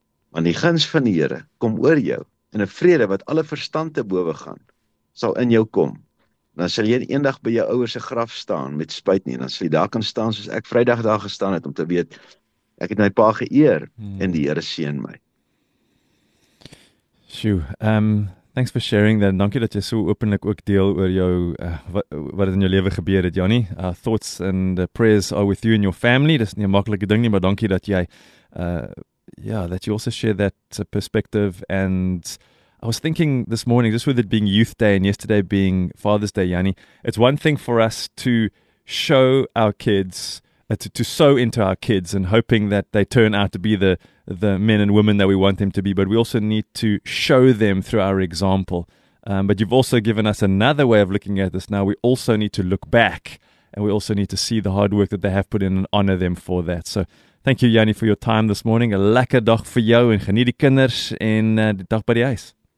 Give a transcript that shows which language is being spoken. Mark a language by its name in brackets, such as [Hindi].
[Afrikaans] Want die guns van die Here kom oor jou en 'n vrede wat alle verstand te bowe gaan, sal in jou kom. Dan sal jy eendag by jou ouers se graf staan met spyt nie, dan sal jy daar kan staan soos ek Vrydag daar gestaan het om te weet ek het my pa geëer en die Here seën my. [English] Sjoe, thanks for sharing that. [Afrikaans] Dankie dat jy so openlik ook deel oor jou wat het in jou lewe gebeur het, Jannie. [English] Thoughts and prayers are with you and your family. [Afrikaans] Dis nie 'n maklike ding nie, maar dankie dat jy [English] Yeah, that you also share that perspective. And I was thinking this morning, just with it being Youth Day and yesterday being Father's Day, Yanni, it's one thing for us to show our kids, to sow into our kids and hoping that they turn out to be the men and women that we want them to be. But we also need to show them through our example. But you've also given us another way of looking at this now. We also need to look back and we also need to see the hard work that they have put in and honor them for that. So thank you, Yanni, for your time this morning. [Afrikaans] 'N lekker dag vir jou en geniet die kinders en die dag by die huis.